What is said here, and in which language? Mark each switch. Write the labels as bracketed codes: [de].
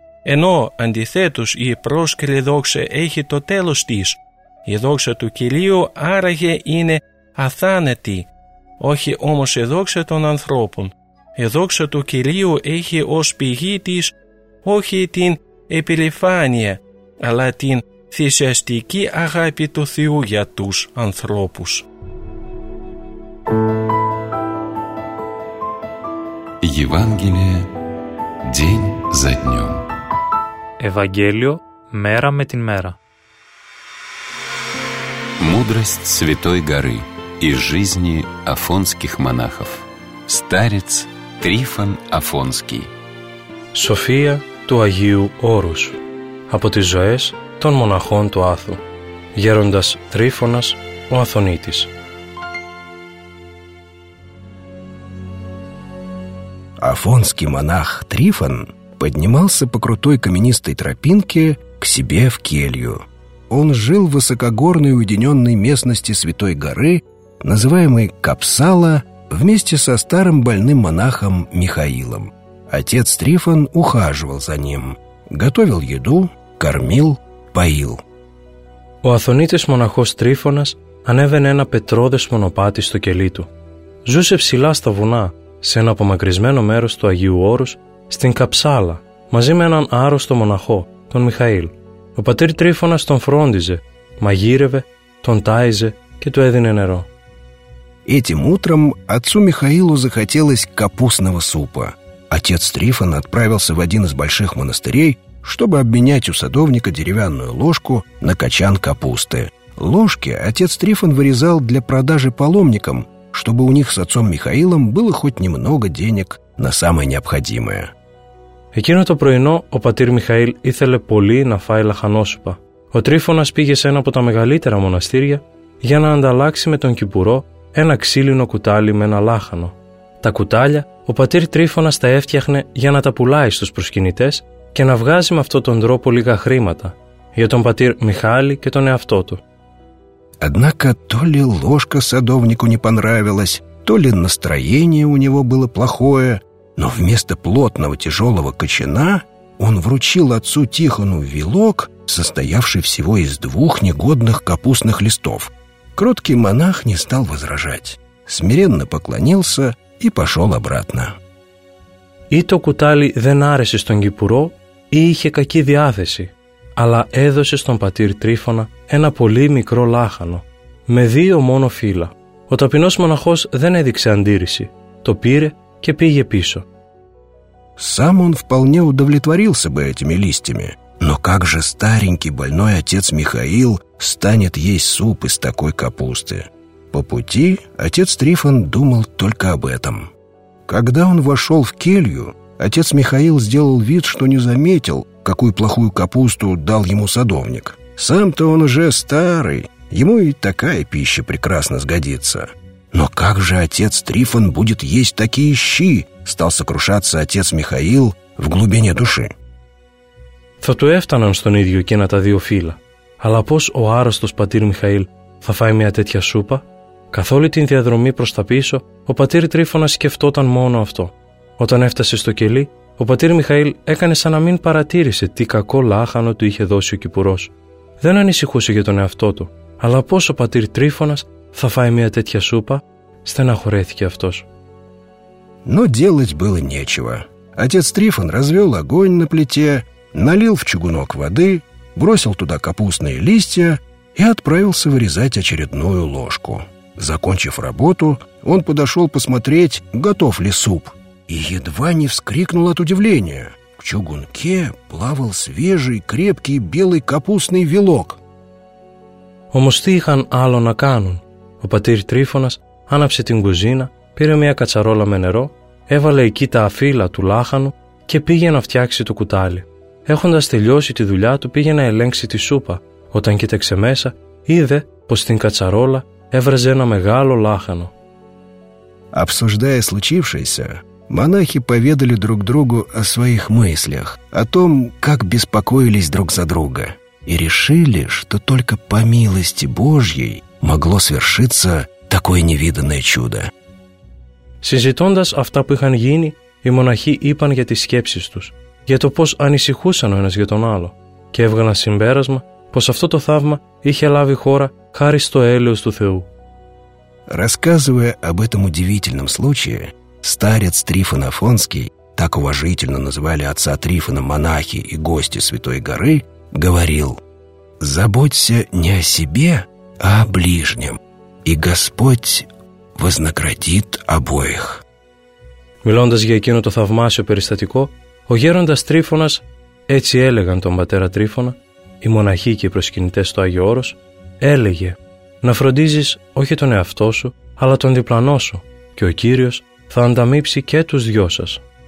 [el] Ενώ αντιθέτως η πρόσκληση δόξα έχει το τέλος της, η δόξα του Κυρίου άραγε είναι αθάνατη, όχι όμως η δόξα των ανθρώπων. Η δόξα του Κυρίου έχει ως πηγή της όχι την επιλεφάνεια, αλλά την θυσιαστική αγάπη του Θεού για τους ανθρώπους. Ευαγγέλιο, [ru] день за днем. [el] Евангелие, мера με την мера. [ru] Мудрость Святой Горы и жизни афонских монахов. Старец Трифон Афонский. [el] София του Αγίου Όρους. Από τις ζωές των μοναχών του Άθου. Γέροντας Τρίφωνας ο Αθωνίτης. [ru] Афонский монах Трифон поднимался по крутой каменистой тропинке к себе в келью. Он жил в высокогорной уединенной местности Святой Горы, называемой Капсала, вместе со старым больным монахом Михаилом. Отец Трифон ухаживал за ним, готовил еду, кормил, поил. [el] Ο Αθωνίτης μοναχός Τρίφωνας ανέβαινε ένα πετρώδες μονοπάτι στο κελί του. Ζούσε ψηλά στα βουνά, σε ένα απομακρυσμένο μέρος του Αγίου Όρους, στην Καψάλα, μαζί με έναν άρρωστο μοναχό, τον Μιχαήλ. Ο πατήρ Τρίφωνας τον φρόντιζε, μαγείρευε, τον τάιζε και του έδινε νερό. [ru] Этим утром отцу Михаилу захотелось капустного супа. Отец Трифон отправился в один из больших монастырей, чтобы обменять у садовника деревянную ложку на качан капусты. Ложки отец Трифон вырезал для продажи паломникам, чтобы у них с отцом Михаилом было хоть немного денег на самое необходимое. [el] Εκείνο το πρωινό ο πατήρ Μιχαήλ ήθελε πολύ να φάει λαχανόσουπα. Ο Τρίφωνας πήγε σε ένα από τα μεγαλύτερα μοναστήρια για να ανταλλάξει με τον Κυπουρό ένα ξύλινο κουτάλι με ένα λάχανο. Τα κουτάλια ο πατήρ Τρίφωνας τα έφτιαχνε για να τα πουλάει στους προσκυνητές και να βγάζει με αυτόν τον τρόπο λίγα χρήματα για τον πατήρ Μιχάλη και τον εαυτό του. [ru] Однако то ли ложка садовнику не понравилась, то ли настроение у него было плохое, но вместо плотного тяжелого кочана он вручил отцу Тихону вилок, состоявший всего из двух негодных капустных листов. Кроткий монах не стал возражать, смиренно поклонился и пошел обратно. [el] И то кутали δεν άρεσε στον Κυπουρό, и είχε κακή διάθεση. Αλλά έδωσε στον πατήρ Τρίφωνα ένα πολύ μικρό λάχανο, με δύο μόνο φύλλα. Ο ταπεινός μοναχός δεν έδειξε αντίρρηση, το πήρε και πήγε πίσω. [ru] Сам он вполне удовлетворился бы этими листьями, но как же старенький больной отец Михаил станет есть суп из такой капусты? По пути отец Трифон думал только об этом. Когда он вошел в келью, отец Михаил сделал вид, что не заметил, какую плохую капусту дал ему садовник. Сам-то он уже старый, ему и такая пища прекрасно сгодится. Но как же отец Трифон будет есть такие щи? Стал сокрушаться отец Михаил в глубине души. [el] Θα του έφταναν στον ίδιο εκείνα τα δύο φύλλα. Αλλά πώς ο άρρωστος πατήρ Μιχαήλ θα φάει μια τέτοια σούπα? Καθ' όλη την διαδρομή προς τα πίσω, ο πατήρ Τρίφωνας σκεφτόταν μόνο αυτό. Όταν έφτασε στο κελί, ο πατήρ Μιχαήλ έκανε σαν να μην παρατήρησε τι κακό λάχανο του είχε δώσει ο Κυπουρός. Δεν ανησυχούσε για τον εαυτό του, αλλά πώς ο πατήρ Τρίφωνας θα φάει μια τέτοια σούπα, στεναχωρέθηκε αυτός. [ru] Но делать было нечего. Отец Трифон развел огонь на плите, налил в чугунок воды, бросил туда капустные листья и отправился вырезать очередную ложку. Закончив работу, он подошел посмотреть, готов ли суп. И едва не вскрикнул от удивления. В чугунке плавал свежий, крепкий, белый капустный вилок. [el] Όμως τι είχαν άλλο να κάνουν. Ο πατήρ Τρίφωνας άναψε την κουζίνα, πήρε μια κατσαρόλα με νερό, έβαλε εκεί τα αφύλα του λάχανου και πήγε να φτιάξει το κουτάλι. Έχοντας τελειώσει τη δουλειά του, πήγε να ελέγξει τη σούπα. Όταν κοίταξε μέσα, είδε πως στην κατσαρόλα έβραζε ένα μεγάλο λάχανο. [ru] Обсуждая случившееся, монахи поведали друг другу о своих мыслях, о том, как беспокоились друг за друга, и решили, что только по милости Божьей могло свершиться такое невиданное чудо. [el] Συζητώντας αυτά που είχαν γίνει, οι μοναχοί είπαν για τις σκέψεις τους, για το πώς ανησυχούσαν ο ένας για τον άλλο, και έβγαλαν συμπέρασμα πως αυτό το θαύμα είχε λάβει χώρα χάρη στο έλεος του Θεού. [ru] Рассказывая об этом удивительном случае, старец Трифон Афонский, так уважительно называли отца Трифона монахи и гости Святой Горы, говорил: «Заботься не о себе, а о ближнем, и Господь вознаградит обоих». [el] Μιλώντας για εκείνο το θαυμάσιο περιστατικό, ο γέροντας Τρίφωνας, έτσι έλεγαν τον πατέρα Τρίφωνα, οι μοναχοί και οι προσκυνητές στο Άγιο Όρος, έλεγε: «Να φροντίζεις όχι τον εαυτό σου, αλλά τον διπλανό σου, και ο Κύριος θα ανταμείψει και τους δυο σας».